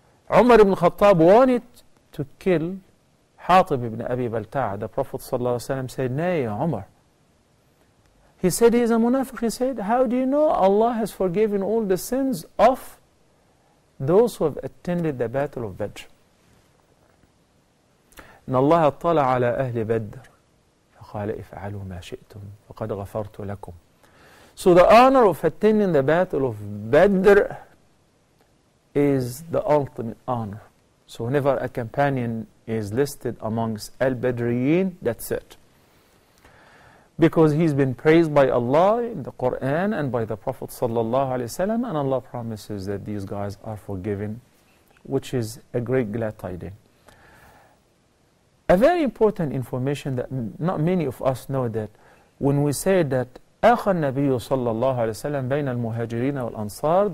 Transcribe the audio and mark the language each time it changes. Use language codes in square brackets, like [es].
[en] Umar ibn Khattab wanted to kill Hatib ibn Abi Balta'a. The Prophet ﷺ said, nay, Umar. He said, he's a munafiq. He said, how do you know Allah has forgiven all the sins of those who have attended the battle of Badr? [ar] إن الله اطلع على أهل بدر فقال افعلوا ما شئتم فقد غفرت لكم. [en] So the honor of attending the battle of Badr is the ultimate honor. So whenever a companion is listed amongst Al-Badriyin, that's it. Because he's been praised by Allah in the Quran and by the Prophet sallallahu alayhi wa sallam, and Allah promises that these guys are forgiven, which is a great glad tidings. A very important information that not many of us know, that when we say that [ar] أخى النبي صلى الله عليه وسلم بين المهاجرين والأنصار.